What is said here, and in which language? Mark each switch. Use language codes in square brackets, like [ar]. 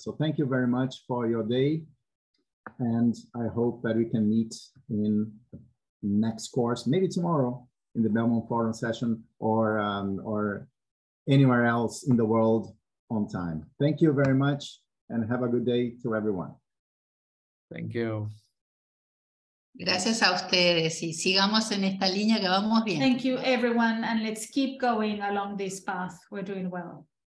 [en] So thank you very much for your day. And I hope that we can meet in the next course, maybe tomorrow in the Belmont Forum session or anywhere else in the world on time. Thank you very much and have a good day to everyone. Thank you. [es] Gracias a ustedes y sigamos en esta línea que vamos bien. [en] Thank you, everyone, and let's keep going along this path. We're doing well.